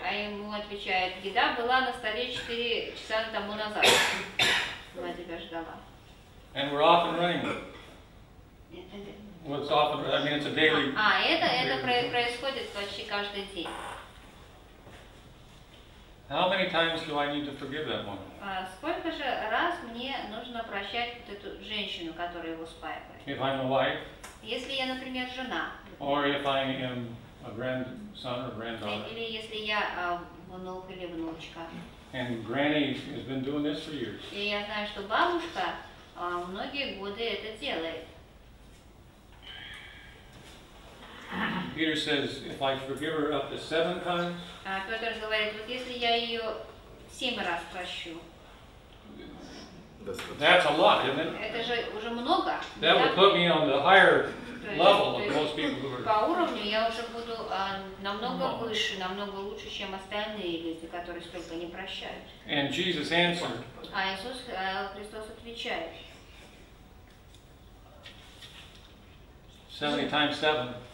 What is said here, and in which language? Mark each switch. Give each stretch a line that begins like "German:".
Russian: А ему отвечает, еда была на столе 4 часа тому назад. Я тебя ждала.
English: And we're off and running. What's off and running? I mean, it's a daily...
Russian: это происходит почти каждый день.
English: How many times do I need to forgive that woman?
Russian: Сколько же раз мне нужно прощать вот эту женщину, которая его спаивает?
English: If I'm a wife.
Russian: Если я, например, жена.
English: Or if I am a grandson or granddaughter.
Russian: Или если я внук или внучка.
English: And granny has been doing this for years.
Russian: И я знаю, что бабушка многие годы это делает.
English: Peter says, if I forgive her up to 7 times.
Russian: Петр говорит, вот если я ее 7 раз прощу.
English: That's a lot, isn't it?
Russian: Это же уже много.
English: That would put me on the higher level of most people who are.
Russian: По уровню я уже буду намного выше, намного лучше, чем остальные люди, которые столько не прощают.
English: And Jesus answered.
Russian: А Иисус Христос отвечает.
English: 70 times 7.